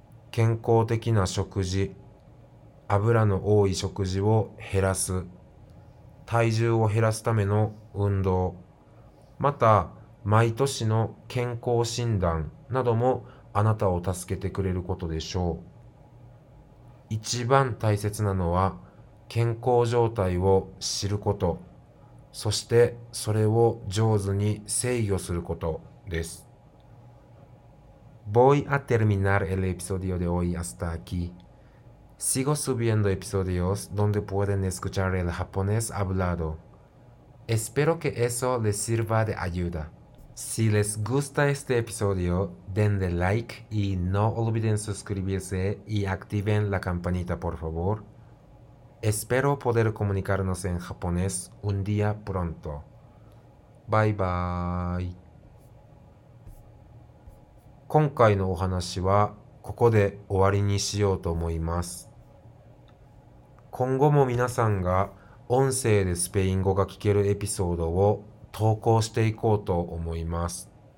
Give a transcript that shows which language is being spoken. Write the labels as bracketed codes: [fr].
[ja] 健康的な食事、油の多い食事を減らす、体重を減らすための運動、また毎年の健康診断などもあなたを助けてくれることでしょう。一番大切なのは健康状態を知ること、そしてそれを上手に制御することです。 [es] Voy a terminar el episodio de hoy hasta aquí. Sigo subiendo episodios donde pueden escuchar el japonés hablado. Espero que eso les sirva de ayuda. Si les gusta este episodio, denle like y no olviden suscribirse y activen la campanita, por favor. Espero poder comunicarnos en japonés un día pronto. [en] Bye bye. [ja] 今回のお話はここで終わりにしようと思います。今後も皆さんが音声でスペイン語が聞けるエピソードを投稿していこうと思います。